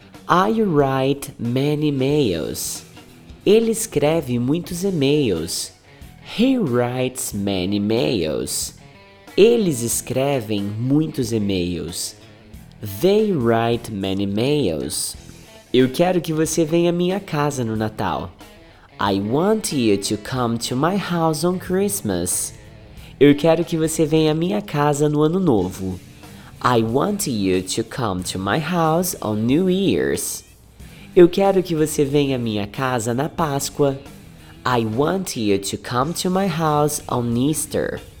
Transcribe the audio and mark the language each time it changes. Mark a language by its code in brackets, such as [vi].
[en] I write many mails. [pt] Ele escreve muitos e-mails. [en] He writes many mails. [pt] Eles escrevem muitos e-mails. [en] They write many mails. [pt] Eu quero que você venha à minha casa no Natal. [en] I want you to come to my house on Christmas. [pt] Eu quero que você venha à minha casa no Ano Novo. [en] I want you to come to my house on New Year's. [pt] Eu quero que você venha à minha casa na Páscoa. [en] I want you to come to my house on Easter.